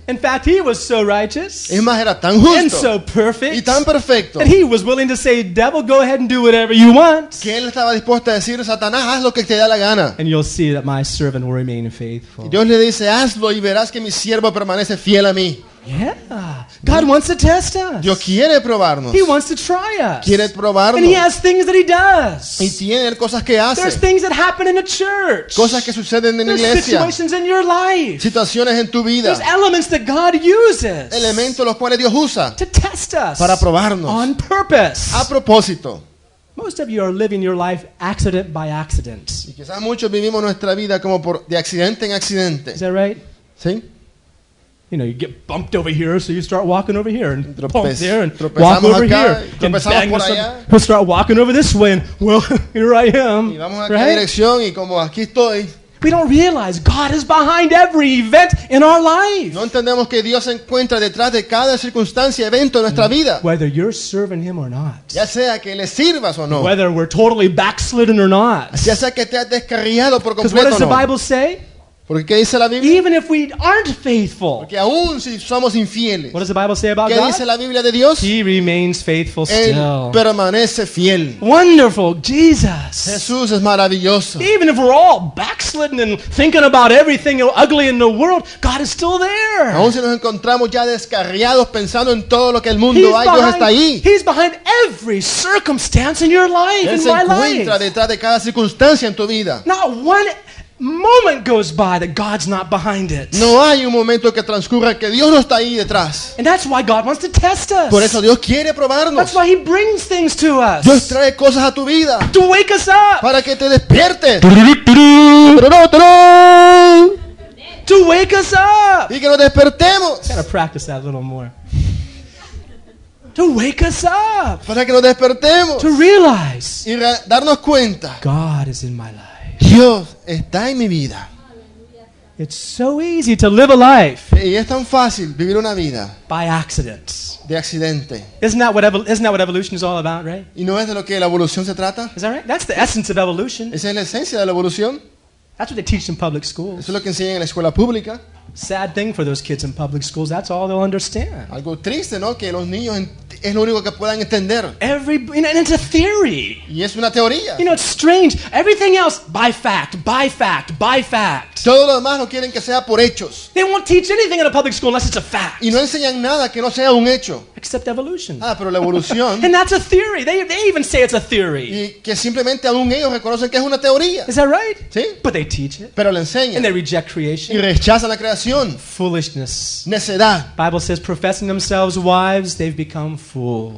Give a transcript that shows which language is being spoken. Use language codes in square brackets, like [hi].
[en] In fact, he was so righteous. [es] Es más, era tan justo. [en] And so perfect. [es] Y tan perfecto. [en] That he was willing to say, devil, go ahead and do whatever you want. [es] Que él estaba dispuesto a decir, Satanás, haz lo que te da la gana. [en] And you'll see that my servant will remain faithful. [es] Dios le dice, hazlo y verás que mi siervo permanece fiel a mí. [en] Yeah. God wants to test us. [es] Dios quiere probarnos. [en] He wants to try us. [es] Quiere probarnos. [en] And he has things that he does. [es] Y tiene cosas que hace. [en] There's things that happen in a church. [es] Cosas que suceden en la iglesia. [en] There's situations in your life. [es] Situaciones en tu vida. [en] There's elements that God uses. [es] Elementos los cuales Dios usa. [en] To test us. [es] Para probarnos. [en] On purpose. [es] A propósito. [en] Most of you are living your life accident by accident. [es] Y quizás muchos vivimos nuestra vida como por de accidente en accidente. [en] Is that right? [es] Sí. [en] You know, you get bumped over here, so you start walking over here and [es] tropezamos [en] there and walk over [es] acá, [en] here and [es] bang por allá. [en] We'll start walking over this way and well, here I am. [es] Y vamos a [en] right? [es] Dirección y como aquí estoy. [en] We don't realize God is behind every event in our life. [es] No entendemos que Dios se encuentra detrás de cada circunstancia, evento en nuestra vida. [en] Whether you're serving him or not. [es] Ya sea que le sirvas o no. [en] Whether we're totally backslidden or not. [es] Ya sea que te has descarriado por completo o no. [en] Because what does the Bible say? [es] Porque ¿qué dice la Biblia? [en] Even if we aren't faithful. [es] Porque aún si somos infieles. [en] What does the Bible say about [es] ¿qué [en] God? [es] ¿Qué dice la Biblia de Dios? [en] He remains faithful still. [es] Él permanece fiel. [en] Wonderful Jesus. [es] Jesús es maravilloso. [en] Even if we're all backslidden and thinking about everything ugly in the world, God is still there. [es] Aún si nos encontramos ya descarriados pensando en todo lo que el mundo hay, Dios está ahí. [en] He's behind every circumstance in your life, in my life. [es] Él se encuentra detrás de cada circunstancia en tu vida. [en] Not one moment goes by that God's not behind it. [es] No hay un momento que transcurra que Dios no está ahí detrás. [en] And that's why God wants to test us. [es] Por eso Dios quiere probarnos. [en] That's why He brings things to us. [es] Dios trae cosas a tu vida. [en] To wake us up. [es] Para que te despiertes. [en] To wake us up. [es] Y que nos despertemos. [en] Gotta practice that a little more. To wake us up. [es] Para que nos despertemos. [en] To realize. [es] Y darnos cuenta. [en] God is in my life. [es] Dios está en mi vida. [en] It's so easy to live a life. [es] Y es tan fácil vivir una vida. [en] By accidents. [es] De accidente. [en] Isn't that what evolution is all about, right? [es] ¿Y no es de lo que la evolución se trata? [en] Is that right? That's the essence of evolution. [es] Esa es la esencia de la evolución. [en] That's what they teach in public schools. [es] Eso es lo que enseñan en la escuela pública. [en] Sad thing for those kids in public schools. That's all they'll understand. [es] Algo triste, ¿no? Que los niños es lo único que puedan entender. [en] Every, and it's a theory. [es] Y es una teoría. [en] You know, it's strange. Everything else by fact, by fact, by fact. [es] Todo lo demás no quieren que sea por hechos. [en] They won't teach anything in a public school unless it's a fact. [es] Y no enseñan nada que no sea un hecho. [en] Except evolution. [es] Ah, pero la evolución. [en] And that's a theory. They even say it's a theory. [es] Y que simplemente aún ellos reconocen que es una teoría. [en] Is that right? [es] Sí. [en] But they teach it. [es] Pero le enseñan. [en] And they reject creation. [es] Y rechazan la creación. [en] Foolishness. [es] Necedad. [en] Bible says, professing themselves wives, they've become fools.